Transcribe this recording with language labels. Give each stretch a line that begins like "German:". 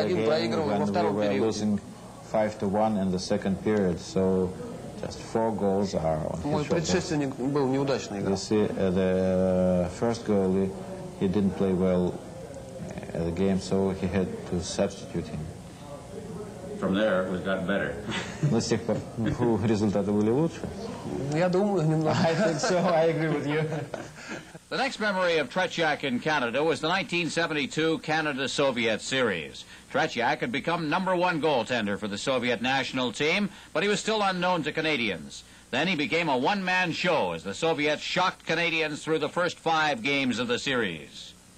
English: I entered the game when we were losing 5-1 in the second period, so just four goals are on his record. The first goalie, he didn't play well at the game, so he had to substitute him. From there, it was got better.
Russian: До сих пор,
English: who
Russian: результаты были лучше? Я думаю, немного.
English: I think so, I agree with you. The next memory of Tretiak in Canada was the 1972 Canada-Soviet series. Tretiak had become number one goaltender for the Soviet national team, but he was still unknown to Canadians. Then he became a one-man show as the Soviets shocked Canadians through the first five games of the series.